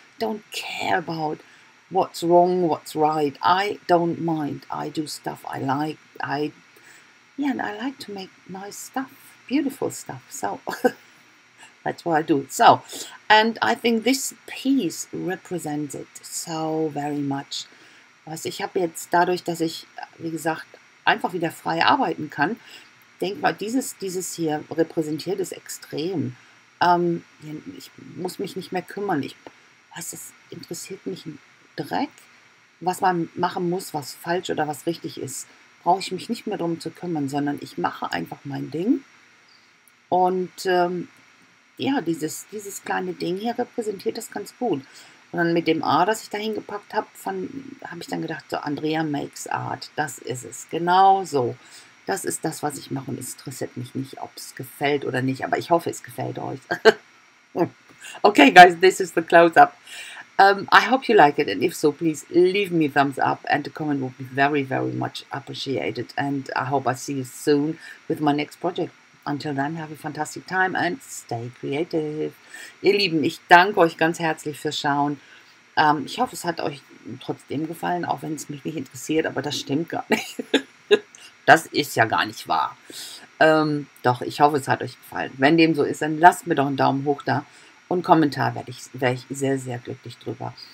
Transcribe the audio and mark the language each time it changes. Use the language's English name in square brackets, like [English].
[English] Don't care about what's wrong, what's right. I don't mind. I do stuff I like. And I like to make nice stuff, beautiful stuff. So... that's why I do it. So, and I think this piece represents it so very much. [German] Was ich habe jetzt dadurch, dass ich, wie gesagt, einfach wieder frei arbeiten kann, denk mal, dieses hier repräsentiert es extrem. Ich muss mich nicht mehr kümmern. Es interessiert mich ein Dreck, was man machen muss, was falsch oder was richtig ist. Brauche ich mich nicht mehr drum zu kümmern, sondern ich mache einfach mein Ding. Und dieses kleine Ding hier repräsentiert das ganz gut. Und dann mit dem A, das ich da hingepackt habe, habe ich dann gedacht, so Andrea makes art, das ist es. Genau so. Das ist das, was ich mache. Und es interessiert mich nicht, ob es gefällt oder nicht. Aber ich hoffe, es gefällt euch. [English] Okay, guys, this is the close-up. I hope you like it. And if so, please leave me a thumbs up. And a comment would be very, very much appreciated. And I hope I see you soon with my next project. Until then, have a fantastic time and stay creative. [German] Ihr Lieben, ich danke euch ganz herzlich fürs Schauen. Ich hoffe, es hat euch trotzdem gefallen, auch wenn es mich nicht interessiert, aber das stimmt gar nicht. Das ist ja gar nicht wahr. Doch, ich hoffe, es hat euch gefallen. Wenn dem so ist, dann lasst mir doch einen Daumen hoch da und Kommentar wär ich sehr, sehr glücklich drüber.